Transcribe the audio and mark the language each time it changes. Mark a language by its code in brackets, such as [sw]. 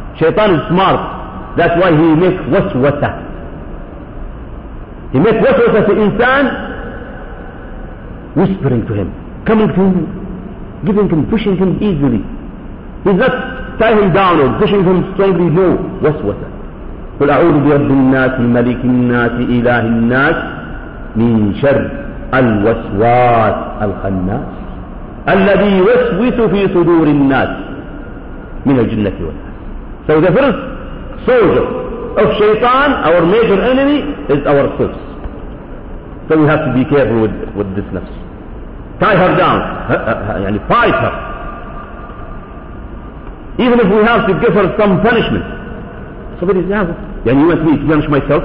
[en] Shaitan is smart. That's why he makes waswasa. He makes waswasa to insan, whispering to him, coming to him, giving him, pushing him easily. He's not tying him down or pushing him strongly. No, waswasa. [ar] قل أعوذ برب الناس ملك الناس إله الناس من شر الوسواس الخناس الذي يوسوس في صدور الناس من الجنة والنار. [en] So the first soldier of Shaitan, our major enemy, is ourselves. So we have to be careful with this nafs. Tie her down. يعني fight her. Even if we have to give her some punishment. Somebody says, يعني you want me to punish myself?